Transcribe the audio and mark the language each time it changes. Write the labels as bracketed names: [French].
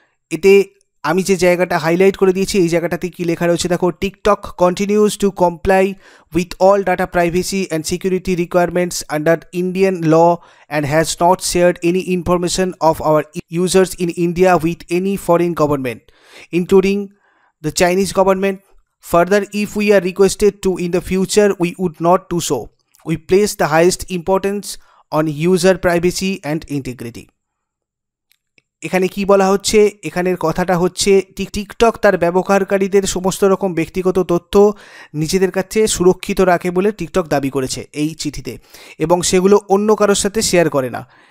[Bangla] এতে আমি যে জায়গাটা হাইলাইট করে দিয়েছি, এই জায়গাটাতে কী লেখা রয়েছে দেখো, [English] TikTok continues to comply with all data privacy and security requirements under Indian law and has not shared any information of our users in India with any foreign government including the Chinese government. Further, if we are requested to in the future, we would not do so. We place the highest importance on user privacy and integrity. [Bangla] এখানে কি বলা হচ্ছে, এখানের কথাটা হচ্ছে TikTok তার ব্যবহারকারীদের সমস্ত রকম ব্যক্তিগত তথ্য নিজেদের কাছে সুরক্ষিত রাখে বলে টিকটক দাবি করেছে এই চিঠিতে, এবং সেগুলো অন্য কারোর সাথে শেয়ার করে না।